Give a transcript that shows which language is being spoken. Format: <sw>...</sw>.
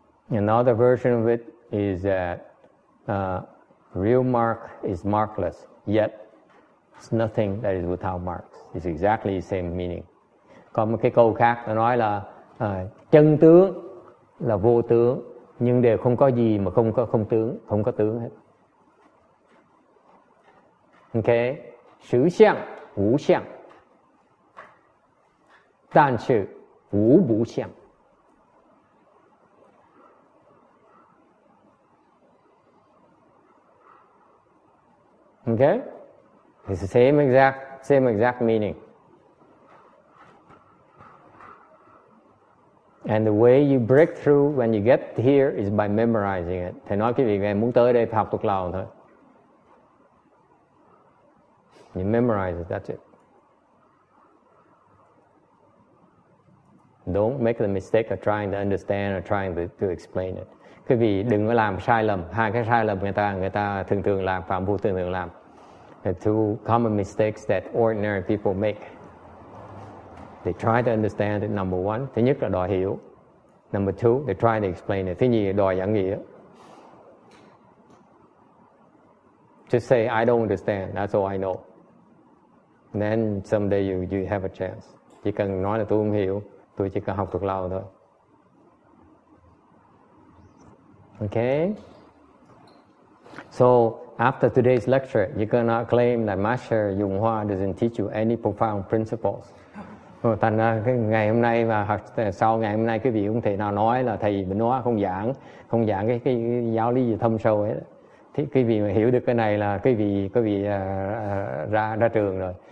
<en>Another version of it is that real mark is markless, yet it's nothing that is without marks. It's exactly the same meaning.</en> <vi>Có một cái câu khác nó nói là chân tướng là vô tướng, nhưng đều không có gì mà không có tướng, không có tướng hết. Okay, sự xiang, vũ xiang. Tàn sự, vũ bú xiang.</vi> <en>Okay? It's the same exact meaning. And the way you break through when you get here is by memorizing it.</en> <vi>Thầy nói quý vị nghe, muốn tới đây học thuộc lòng thôi.</vi> <en>You memorize it, that's it. Don't make the mistake of trying to understand or trying to explain it.</en> <vi>Quý vị đừng có làm sai lầm. Hai cái sai lầm người ta thường thường làm, phạm vô thường thường làm.</vi> <en>The two common mistakes that ordinary people make. They try to understand it, number one.</en> <vi>Thứ nhất là đòi hiểu.</vi> <en>Number two, they try to explain it.</en> <vi>Thứ nhì là đòi giải nghĩa.</vi> <en>Just say, I don't understand, that's all I know. And then someday you have a chance.</en> <vi>Chỉ cần nói là tôi không hiểu, tôi chỉ cần học thuộc lòng thôi.</vi> <en>Okay? So, after today's lecture, you cannot claim that Master Dung Hoa doesn't teach you any profound principles.</en> <vi>Thành ra ngày hôm nay và sau ngày hôm nay, quý vị không thể nào nói là thầy Dung Hoa không giảng cái giáo lý gì thâm sâu hết. Thì quý vị hiểu được cái này là quý vị ra trường rồi.</vi>